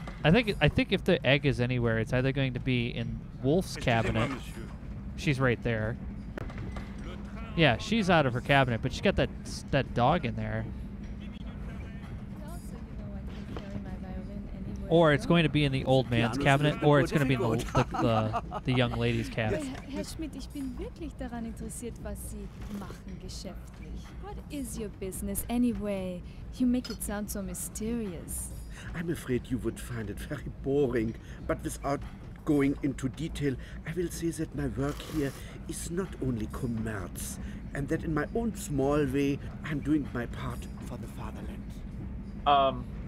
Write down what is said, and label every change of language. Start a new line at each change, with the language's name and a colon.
English: I think if the egg is anywhere, it's either going to be in Wolf's cabinet. She's right there. Yeah, she's out of her cabinet, but she's got that dog in there.
French: 10 minutes d'arrêt.
English: Or it's going to be in the old man's cabinet, or it's going to be in the young lady's cabinet.
German: Herr Schmidt, ich bin wirklich daran interessiert, was Sie machen geschäftlich.
English: What is your business anyway? You make it sound so mysterious. I'm afraid you would find it very boring, but without going into detail, I will say that my work here is not only commerce, and that in my own small way, I'm doing my part for the fatherland.